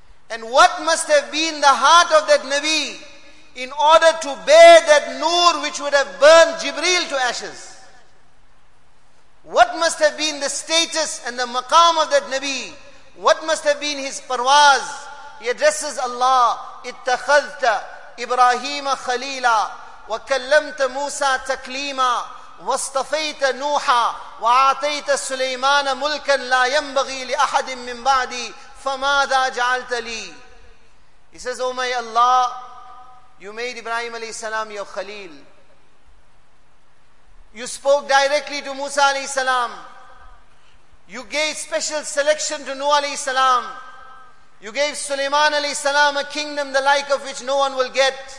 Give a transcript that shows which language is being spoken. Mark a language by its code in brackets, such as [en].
[en] And what must have been the heart of that Nabi in order to bear that nur which would have burned Jibreel to ashes? What must have been the status and the maqam of that Nabi? What must have been his parwaz? He addresses Allah, [ar] اتخذت إبراهيم خليلا وكلمت موسى تكليما واصطفيت نوحا وعطيت سليمان ملكا لا ينبغي لأحد من بعدي فماذا جعلت لي. [en] He says, O my Allah, you made Ibrahim alayhi salam your Khalil. You spoke directly to Musa alayhi salam. You gave special selection to Nuh alayhi salam. You gave Sulaiman alayhi salam a kingdom the like of which no one will get.